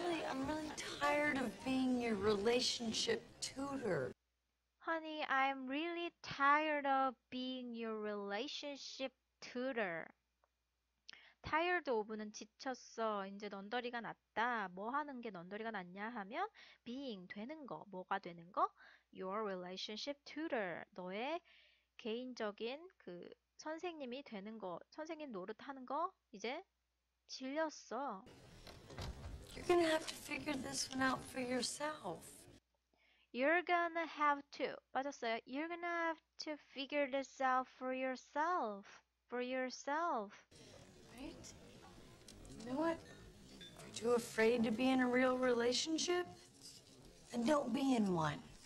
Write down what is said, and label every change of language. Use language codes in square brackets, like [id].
[en] I'm really tired of being your relationship tutor. Honey, I'm really tired of being your relationship tutor. [ko] Tired of는 지쳤어. 이제 넌더리가 났다. 뭐 하는 게 넌더리가 났냐 하면 being 되는 거, 뭐가 되는 거? [en] Your relationship tutor. [ko] 너의 개인적인 그 선생님이 되는 거, 선생님 노릇하는 거 이제 질렸어. [en] You're gonna have to figure this one out for yourself. You're gonna have to. [ko] 빠졌어요. [en] You're gonna have to figure this out for yourself. For yourself. Right? You know what? If you're too afraid to be in a real relationship, then don't be in one.